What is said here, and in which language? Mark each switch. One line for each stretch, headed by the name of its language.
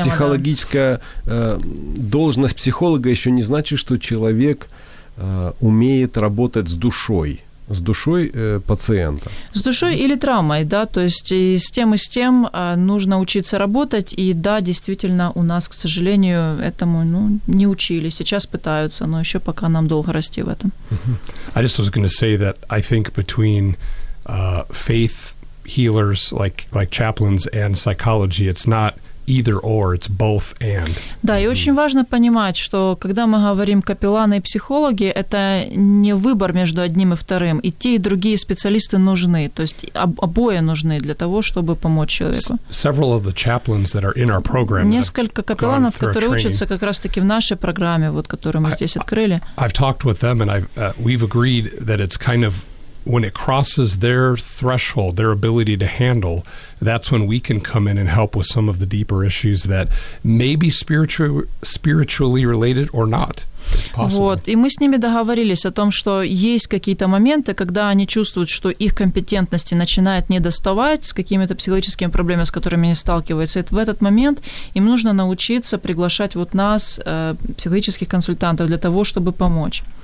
Russian: Психологическая должность психолога еще не значит, что человек умеет работать с душой. С душой пациента. С душой или травмой, да. То есть и с тем, и с тем нужно учиться работать. И да, действительно, у нас, к сожалению, этому ну, не учили. Сейчас пытаются, но еще пока нам долго расти в этом.
English: I just was going to say that I think between faith healers, like chaplains, and psychology, it's not either or, it's both and.
Russian: Да, и очень важно понимать, что когда мы говорим капелланы и психологи, это не выбор между одним и вторым, и те, и другие специалисты нужны, то есть обои нужны для того, чтобы помочь человеку.
English: Several of the chaplains that are in our program.
Russian: Несколько капелланов, которые учатся как раз-таки в нашей программе, вот которую мы здесь открыли.
English: I've talked with them and we've agreed that it's kind of when it crosses their threshold, their ability to handle, that's when we can come in and help with some of the deeper issues that may be spiritually related or not. It's possible.
Russian: Вот, и мы с ними договорились о том, что есть какие-то моменты, когда они чувствуют, что их компетентности начинает недоставать с какими-то психологическими проблемами, с которыми они сталкиваются. И в этот момент им нужно научиться приглашать вот нас, психологических консультантов, для того, чтобы помочь.